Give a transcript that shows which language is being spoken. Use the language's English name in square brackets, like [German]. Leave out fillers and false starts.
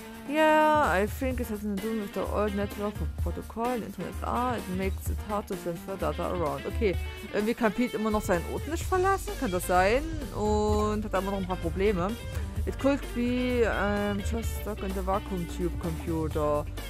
[English] Yeah, I think it has nothing to do with the old network of protocol, Internet. Ah, it makes it hard to send the data around. [German] Okay, irgendwie kann Pete immer noch seinen Ort nicht verlassen, kann das sein. Und hat immer noch ein paar Probleme. [English] It could be just stuck in the vacuum tube computer.